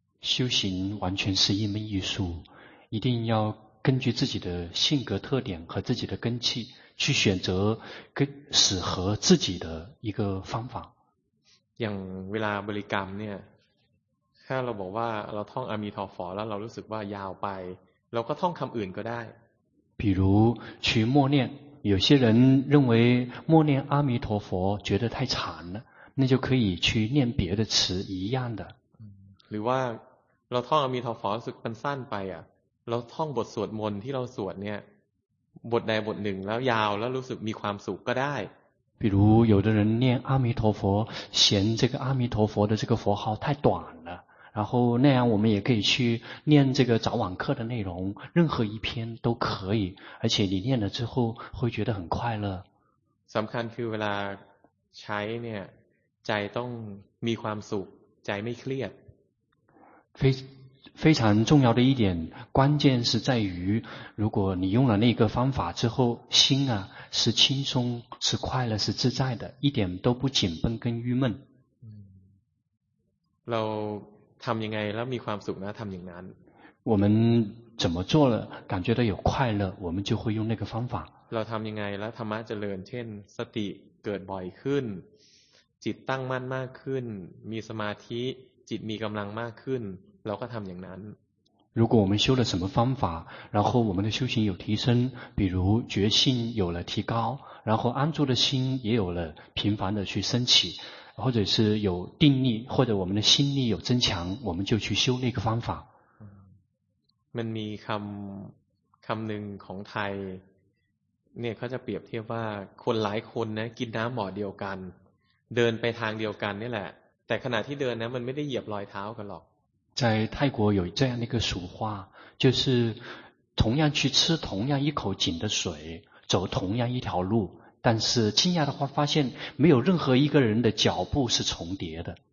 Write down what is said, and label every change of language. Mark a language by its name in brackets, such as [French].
[Chinese] 修行完全是一门艺术一定要根据自己的性格特点和自己的根气去选择适合自己的一个方法 [Thai] อย่างเวลาบริกรรมเนี่ยถ้าเราบอกว่าเราท่องอะมีทอฟอแล้วเรารู้สึกว่ายาวไปเราก็ท่องคำอื่นก็ได้ [Chinese] 比如去默念有些人认为默念阿弥陀佛觉得太长了那就可以去念别的词一样的 [Thai] หรือว่าเราท่องอะมีทอฟอรู้สึกมันสั้นไปอ่ะเราท่องบทสวดมนต์ที่เราสวดเนี่ยบทใดบทหนึ่งแล้วยาวแล้วรู้สึกมีความสุขก็ได้ [Chinese] 比如有的人念阿弥陀佛，嫌这个阿弥陀佛的这个佛号太短了，然后那样我们也可以去念这个早晚课的内容，任何一篇都可以，而且你念了之后会觉得很快乐。 [Thai] สำคัญคือเวลาใช้เนี่ยใจต้องมีความสุขใจไม่เครียด [Chinese] 非常重要的一点，关键是在于，如果你用了那个方法之后，心啊是轻松，是快乐，是自在的，一点都不紧绷跟郁闷。 [Thai] เราทำยังไงแล้วมีความสุขนะทำอย่างนั้น [Chinese] 我们怎么做了感觉到有快乐，我们就会用那个方法。 [Thai] เราทำยังไงแล้วธรรมะเจริญเช่นสติเกิดบ่อยขึ้นจิตตั้งมั่นมากขึ้นมีสมาธิจิตมีกำลังมากขึ้นเราก็ทำอย่างนั้น [Chinese] 如果我们修了什么方法，然后我们的修行有提升，比如觉性有了提高，然后安住的心也有了频繁的去升起，或者是有定力，或者我们的心力有增强，我们就去修那个方法。 [Thai] มันมีคำหนึ่งของไทยเนี่ยเขาจะเปรียบเทียบว่าคนหลายคนนะกินน้ำหม้อเดียวกันเดินไปทางเดียวกันนี่แหละแต่ขณะที่เดินนะมันไม่ได้เหยียบรอยเท้ากันหรอก [Chinese] 在泰国有这样的一个俗话，就是同样去吃同样一口井的水，走同样一条路，但是惊讶的话发现没有任何一个人的脚步是重叠的。